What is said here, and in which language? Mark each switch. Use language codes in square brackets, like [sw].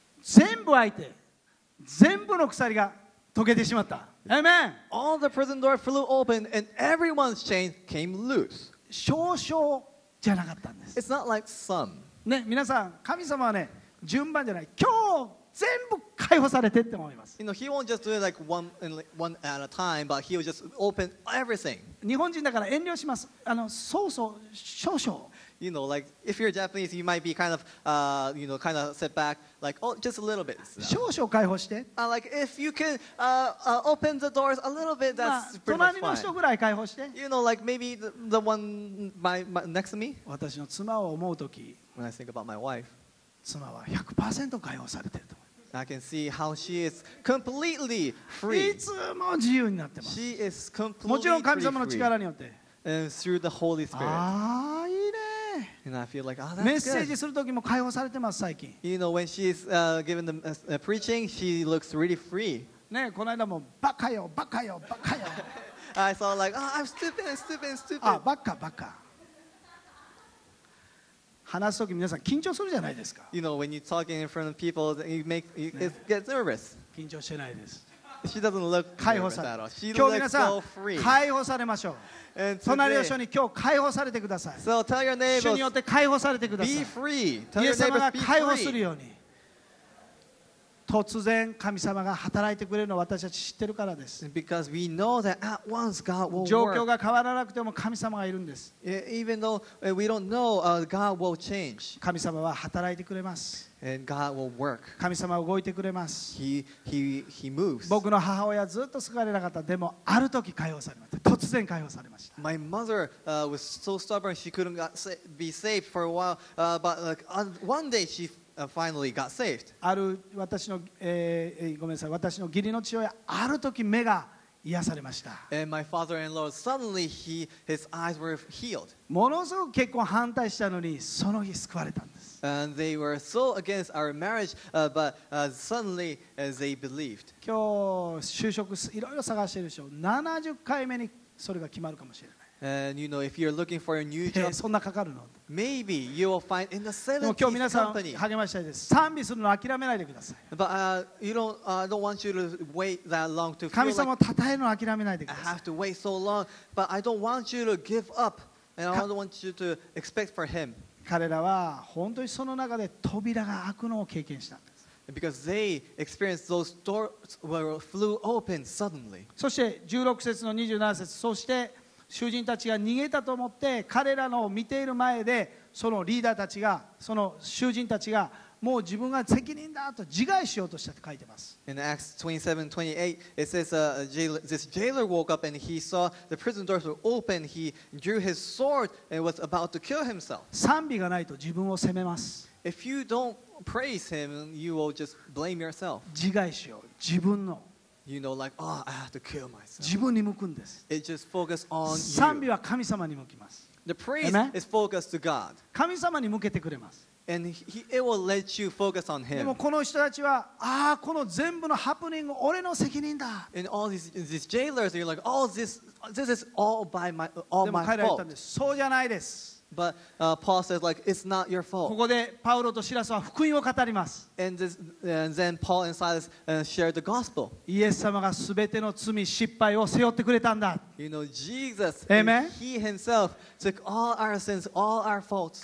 [ja] 全部開いて、全部の鎖が解けてしまった。 [en] Amen. All the prison doors flew open and everyone's chains came loose. [ja] 少々じゃなかったんです。 [en] It's not like some. [ja] ね、皆さん、神様はね。順番じゃない。今日全部解放されてって思います。 [en] You know, he won't just do it like one at a time, but he'll just open everything. [ja] 日本人だから遠慮します。そうそう、少々。 [en] You know, like if you're Japanese, you might be kind of, you know, kind of set back, like oh, just a little bit. [ja] 少々解放して。 [en] Like if you can open the doors a little bit, that's pretty much fine. [ja] 隣の人ぐらい解放して。 [en] You know, like maybe the one my next to me. [ja] 私の妻を思うとき。 [en] When I think about my wife. [ja] 妻は 100% 解放されてると思います。 [en] I can see how she is completely free. [ja] いつも自由になってます。 [en] She is completely free. [ja] もちろん神様の力によって。 [en] And through the Holy Spirit. [ja] ああ、いいね。 [en] And I feel like, oh, that's good. [ja] メッセージする時も解放されてます、最近。 [en] You know, when she's giving the preaching, she looks really free. [ja] ね、この間もバカよ、バカよ、バカよ。 [en] I saw like, oh, I'm stupid, stupid, stupid. [ja] あ、バカ、バカ。話すとき皆さん緊張するじゃないですか。 [en] You know, when you're talking in front of people, it gets nervous. [ja] 緊張してないです。 [en] She doesn't look nervous at all. She looks so free. [ja] 解放されましょう。隣の人に今日解放されてください。 [en] So tell your neighbors, [ja] 主によって解放されてください。 [en] Be free. Tell your neighbors, be free. [ja] 解放するように。突然神様が働いてくれるのを私たち知ってるからです。 [en] Because we know that at once God will work. [ja] 状況が変わらなくても神様がいるんです。 [en] Even though we don't know, God will change. [ja] 神様は働いてくれます。 [en] And God will work. [ja] 神様は動いてくれます。 [en] He moves. [ja] 僕の母親ずっと好かれなかった。でもある時解放されました。突然解放されました。 [en] My mother was so stubborn she couldn't be saved for a while, but one day she finally got saved. [ja] ある私の、ごめんなさい、私の義理の父親、ある時目が癒されました。 [en] And my father-in-law, suddenly his eyes were healed. [ja] ものすごく結婚反対したのに、その日救われたんです。 [en] And they were so against our marriage, but suddenly they believed. [ja] 今日就職いろいろ探してるでしょ。70回目にそれが決まるかもしれない。 [en] And you know, if you're looking for a new job, [ja] そんなかかるの? [en] Maybe you will find in the 70s company. [ja] 励ましたいです。賛美するの諦めないでください。 [en] But I don't want you to wait that long to feel like [ja] 神様を讃えるの諦めないでください。 [en] I have to wait so long, but I don't want you to give up, and I don't want you to expect for him. [ja] 彼らは本当にその中で扉が開くのを経験したんです。 [en] Because they experienced those doors were flew open suddenly. [ja] そして16節の27節、そして囚人たちが逃げたと思って彼らの見ている前でそのリーダーたちがその囚人たちがもう自分が責任だと自害しようとしたと書いてます。 [en] In Acts 27:28 it says this jailer woke up and he saw the prison doors were open. He drew his sword and was about to kill himself. [ja] 賛美がないと自分を責めます。 [en] If you don't praise him, you will just blame yourself. [ja] 自害しよう、自分の、 [en] You know, like, oh, I have to kill myself. [ja] 自分に向くんです。 [en] It just focuses on you. [ja] 賛美は神様に向きます。 [en] The praise、Amen? Is focused to God. [ja] 神様に向けてくれます。 [en] And it will let you focus on Him. [ja] でもこの人たちは、ああ、この全部のハプニング、俺の責任だ。 [en] And all these jailers, you're like, oh, this is all by my fault. [ja] でも彼ら言ったんです。そうじゃないです。 [en] But Paul says, like, it's not your fault. [ja] ここでパウロとシラスは福音を語ります。 [en] And then Paul and Silas share the gospel. [ja] イエス様が全ての罪失敗を背負ってくれたんだ。 [en] You know, Jesus, Amen? He himself took all our sins, all our faults.